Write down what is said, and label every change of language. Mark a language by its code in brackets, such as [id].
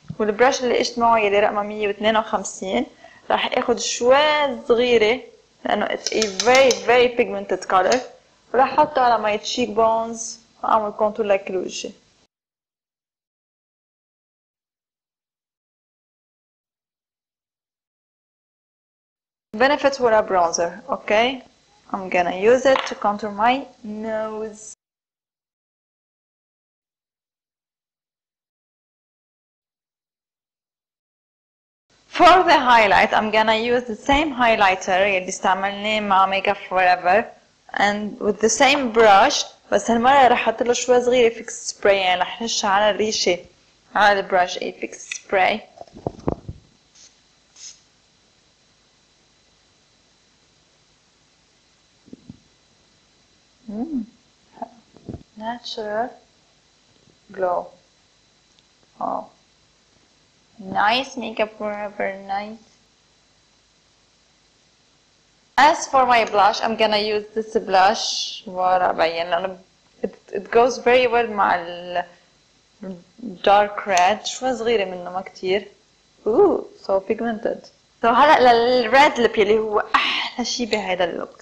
[ar] والبراش اللي اجت معه يلي رقمه 152، راح اخد شوية صغيرة لانه [en] it's a very very pigmented color، [ar] وراح احطه على my cheekbones واعمل contour لك كل وجهي. benefit ولا برونزر، اوكي [en] I'm gonna use it to contour my nose. For the highlight, I'm gonna use the same highlighter, this time I'll name my makeup forever, and with the same brush, [ar] بس هالمرة رح احط له شوي صغير افكس سبراي، [en] يعني رح نش على الريشة على البراش افكس سبراي. [ar] ناتشورال جلو. اوه نايس ميك اب فور ايفر نايس. [en] As for my blush, I'm gonna use this blush. What I mean, it goes very well with dark red. [ar] شوي صغيرة منه ما كتير. [en] Ooh, so pigmented. [ar] So هلا للريد لب يلي هو أحلى شيء بهذا اللوك.